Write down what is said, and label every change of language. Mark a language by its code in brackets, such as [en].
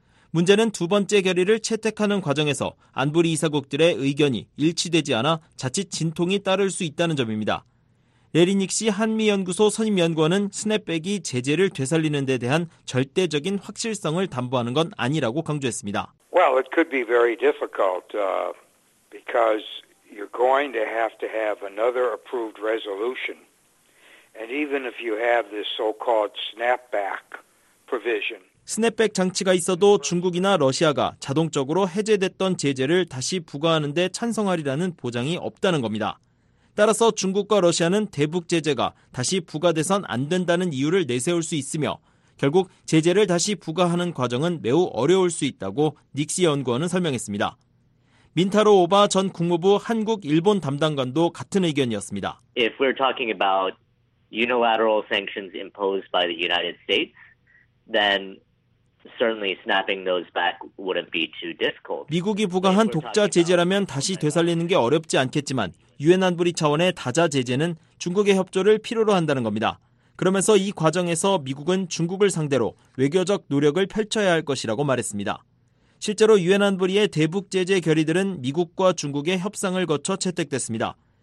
[ko] 문제는 두 번째 결의를 채택하는 과정에서 안보리 이사국들의 의견이 일치되지 않아 자칫 진통이 따를 수 있다는 점입니다. 레리닉시 한미연구소 선임연구원은 스냅백이 제재를 되살리는 데 대한 절대적인 확실성을 담보하는 건 아니라고 강조했습니다. [en] Well, it could be very difficult because you're going to have another approved resolution. And even if you have this so-called snapback provision. [ko] 스냅백 장치가 있어도 중국이나 러시아가 자동적으로 해제됐던 제재를 다시 부과하는 데 찬성하리라는 보장이 없다는 겁니다. 따라서 중국과 러시아는 대북 제재가 다시 부과돼선 안 된다는 이유를 내세울 수 있으며 결국 제재를 다시 부과하는 과정은 매우 어려울 수 있다고 닉시 연구원은 설명했습니다. 민타로 오바 전 국무부 한국 일본 담당관도 같은 의견이었습니다. [en] If we're talking about unilateral sanctions imposed by the United States, then certainly snapping those back wouldn't be too difficult. [ko] 미국이 부과한 독자 제재라면 다시 되살리는 게 어렵지 않겠지만 유엔 안보리 차원의 다자 제재는 중국의 협조를 필요로 한다는 겁니다. 그러면서 이 과정에서 미국은 중국을 상대로 외교적 노력을 펼쳐야 할 것이라고 말했습니다. 실제로 유엔 안보리의 대북 제재 결의들은 미국과 중국의 협상을 거쳐 채택됐습니다.